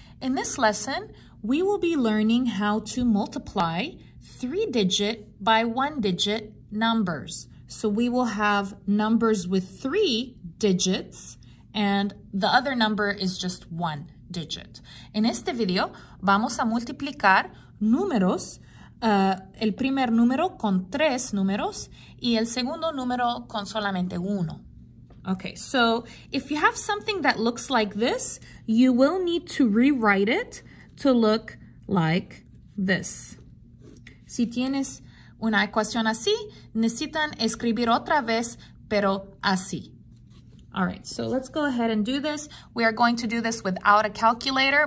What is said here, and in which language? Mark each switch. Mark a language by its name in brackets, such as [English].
[English] In this lesson, we will be learning how to multiply three-digit by one-digit numbers. So we will have numbers with three digits, and the other number is just one digit. [Spanish] En este video, vamos a multiplicar números, el primer número con tres números, y el segundo número con solamente uno. [English] Okay, so if you have something that looks like this, you will need to rewrite it to look like this. [Spanish] Si tienes una ecuación así, necesitan escribir otra vez, pero así. [English] All right, so let's go ahead and do this. We are going to do this without a calculator.